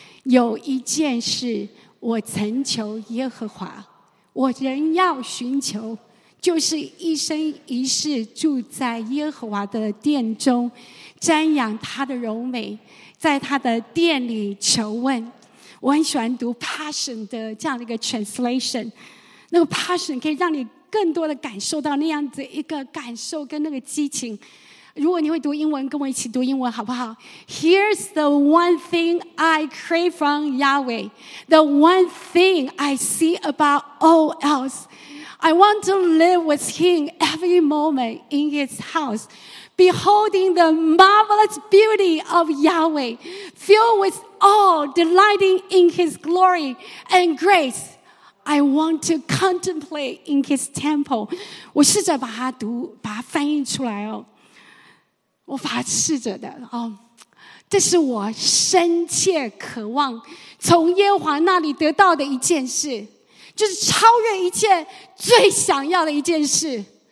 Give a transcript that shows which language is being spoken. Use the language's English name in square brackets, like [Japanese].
[Chinese] 有一件事我曾求耶和华，我仍要寻求，就是一生一世住在耶和华的殿中，瞻仰他的荣美，在他的殿里求问。我很喜欢读 Passion 的这样的一个 translation， 那个 Passion 可以让你更多的感受到那样子一个感受跟那个激情。如果你会读英文，跟我一起读英文好不好？ [English] Here's the one thing I crave from Yahweh, the one thing I see about all else. I want to live with him every moment in his house. Beholding the marvelous beauty of Yahweh, filled with awe, delighting in his glory and grace, I want to contemplate in his temple. [Chinese] 我试着把它读，把它翻译出来哦。我把它试着的哦。这是我深切渴望从耶和华那里得到的一件事，就是超越一切最想要的一件事。